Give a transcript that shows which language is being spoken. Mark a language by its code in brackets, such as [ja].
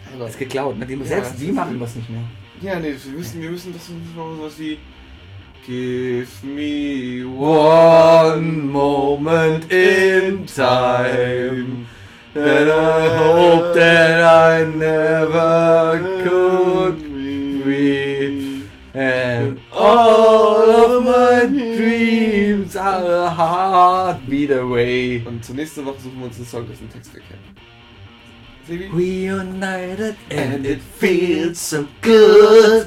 [de] einfach. Das ist geklaut, ne? Selbst die machen das nicht mehr. Ja, nee, wir müssen das machen, was wie. [en] Give me one moment in time. And I hope that I never could be. And all of my dreams are a heartbeat away. [de] Und zur nächsten Woche suchen wir uns einen Song, dessen Text wir kennen. [en] We united and it feels so good.